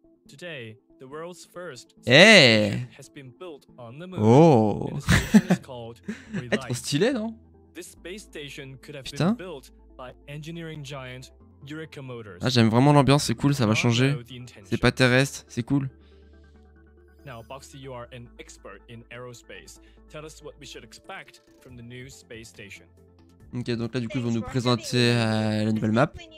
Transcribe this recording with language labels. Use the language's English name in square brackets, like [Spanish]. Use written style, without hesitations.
[English] Today, the world's first space station has been built on the moon. Oh. [French] Trop stylé, non? [English] This space station could have been built by engineering giant Eureka Motors. [French] Ah, j'aime vraiment l'ambiance, c'est cool, ça va changer. C'est pas terrestre, c'est cool. [English] Now, Boxy, you are an expert in aerospace. Tell us what we should expect from the new space station. [French] Ok, donc là, du coup, ils vont nous présenter la nouvelle map.